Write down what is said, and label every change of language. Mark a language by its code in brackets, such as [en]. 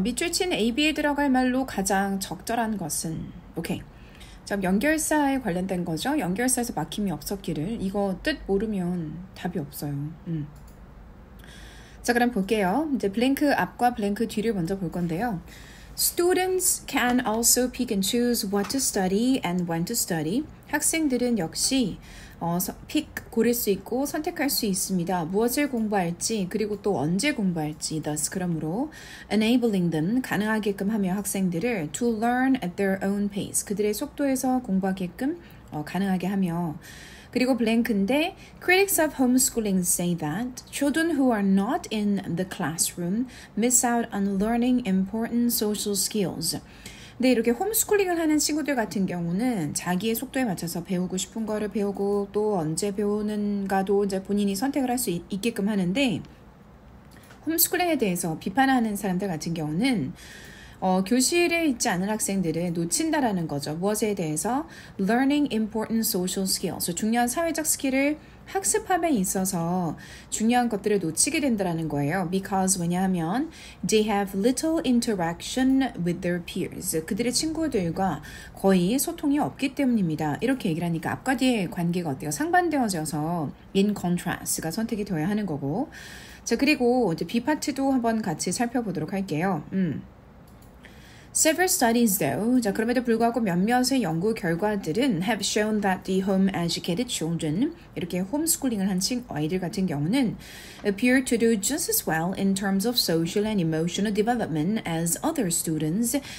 [ko] 밑줄 친 AB에 들어갈 말로 가장 적절한 것은? 오케이. 자, 연결사에 관련된 거죠. 연결사에서 막힘이 없었기를. 이거 뜻 모르면 답이 없어요. 자, 그럼 볼게요. 이제 블랭크 앞과 블랭크 뒤를 먼저 볼 건데요. [en] Students can also pick and choose what to study and when to study. [ko] 학생들은 역시 pick 고를 수 있고 선택할 수 있습니다. 무엇을 공부할지 그리고 또 언제 공부할지. [en] Thus, [ko] 그러므로 [en] enabling them [ko] 가능하게끔 하며 학생들을 [en] to learn at their own pace [ko] 그들의 속도에서 공부하게끔 가능하게 하며. 그리고 블랭크인데, [en] critics of homeschooling say that children who are not in the classroom miss out on learning important social skills. [ko] 근데 이렇게 홈스쿨링을 하는 친구들 같은 경우는 자기의 속도에 맞춰서 배우고 싶은 거를 배우고 또 언제 배우는가도 이제 본인이 선택을 할수 있게끔 하는데, 홈스쿨링에 대해서 비판하는 사람들 같은 경우는 교실에 있지 않은 학생들을 놓친다라는 거죠. 무엇에 대해서? [en] Learning important social skills. [ko] 중요한 사회적 스킬을 학습함에 있어서 중요한 것들을 놓치게 된다는 거예요. [en] Because [ko] 왜냐하면 [en] they have little interaction with their peers. [ko] 그들의 친구들과 거의 소통이 없기 때문입니다. 이렇게 얘기를 하니까 앞과 뒤의 관계가 어때요? 상반되어져서 in contrast가 선택이 되어야 하는 거고. 자, 그리고 이제 B 파트도 한번 같이 살펴보도록 할게요. [en] Several studies, though, [ko] 자, 그럼에도 불구하고 몇몇의 연구 결과들은 [en] have shown that the home-educated children, [ko] 이렇게 홈스쿨링을 한 아이들 같은 경우는 [en] appear to do just as well in terms of social and emotional development as other students.